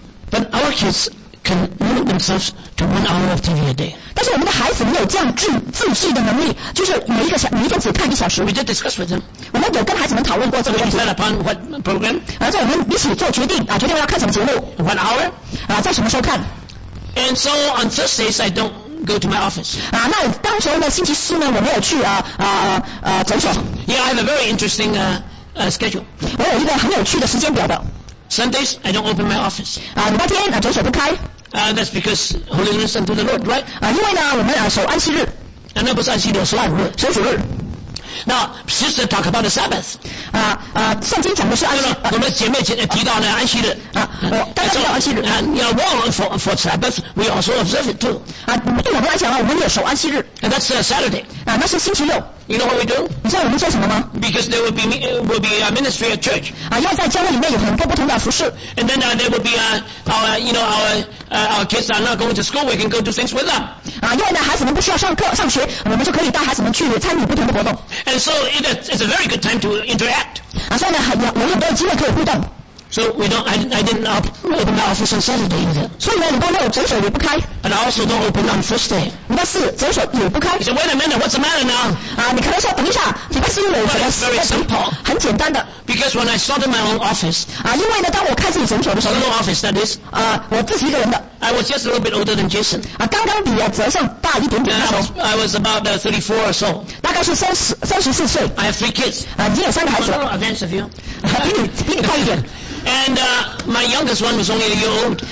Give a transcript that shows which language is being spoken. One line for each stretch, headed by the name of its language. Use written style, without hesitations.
English: But our kids can limit themselves to 1 hour of TV a day.
Chinese: 但是我们的孩子没有这样自制的能力，就是每一天只看一小时。
English: We did discuss with them.
Chinese: 我们有跟孩子们讨论过这个问题。
English: Decided upon what program?
Chinese: 然后我们一起做决定，决定要看什么节目。
English: What hour?
Chinese: 在什么时候看？
English: And so on Thursdays I don't go to my office.
Chinese: 那当时呢，星期四呢，我没有去诊所。
English: Yeah, I have a very interesting schedule.
Chinese: 我有一个很有趣的时间表的。
English: Sundays, I don't open my office.
Chinese: 礼拜天，诊所不开。
English: That's because Holy Mass unto the Lord, right?
Chinese: 因为呢，我们守安息日。
English: And that was
Chinese: 安息日，守安息日，守主日。
English: Now, sister talk about the Sabbath.
Chinese: 圣经讲的是安息。我们姐妹提到了安息日。大家知道安息日。
English: You are wrong for Sabbath. We also observe it too.
Chinese: 对我们来讲，我们也守安息日。
English: And that's Saturday.
Chinese: 那是星期六。
English: You know what we do?
Chinese: 你知道我们做什么吗？
English: Because there will be a ministry at church.
Chinese: 要在教会里面有很多不同的服事。
English: And then there will be our kids are not going to school. We can go do things with them.
Chinese: 因为呢，孩子们不需要上课上学，我们就可以带孩子们去参与不同的活动。
English: And so it's a very good time to interact.
Chinese: 所以呢，有很多机会可以互动。
English: So we don't. I didn't open my office on Saturday either.
Chinese: 所以呢，礼拜六诊所也不开。
English: And I also don't open on first day.
Chinese: 礼拜四诊所也不开。
English: He said, "Wait a minute. What's the matter now?"
Chinese: 你可能说等一下，礼拜四我怎么？
English: Very simple.
Chinese: 很简单的。
English: Because when I started my own office.
Chinese: 因为呢，当我开自己诊所的时候。
English: My own office, that is.
Chinese: 我自己一个人的。
English: I was just a little bit older than Jason.
Chinese: 刚刚比泽尚大一点点。
English: I was about 34 or so.
Chinese: 大概是三十四岁。
English: I have three kids.
Chinese: 你有三个孩子。
English: A little advance of you.
Chinese: 比你快一点。
English: And my youngest one was only a year old.